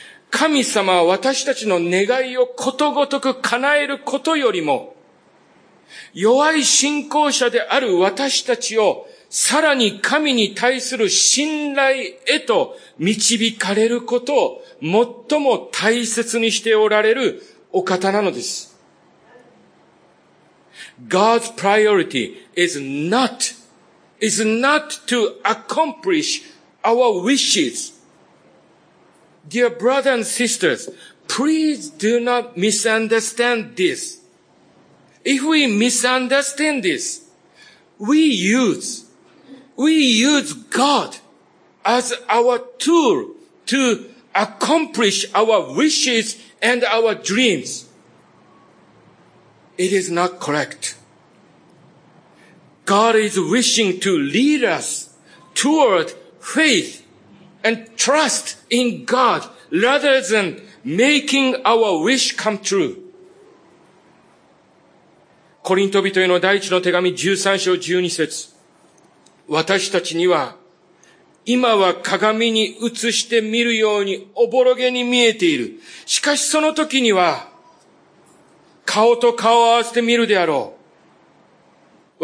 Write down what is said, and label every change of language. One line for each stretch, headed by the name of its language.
Japanese: 神様は私たちの願いをことごとく叶えることよりも、弱い信仰者である私たちをさらに神に対する信頼へと導かれることを最も大切にしておられるお方なのです。
English: God's priority is not to accomplish our wishes. Dear brothers and sisters, please do not misunderstand this. If we misunderstand this, we use God as our tool to accomplish our wishes and our dreams, it is not correct. God is wishing to lead us toward faith and trust in God rather than making our wish come true.
Japanese: コリント人への第一の手紙13章12節。私たちには今は鏡に映して見るようにおぼろげに見えている。しかしその時には顔と顔を合わせて見るであろう。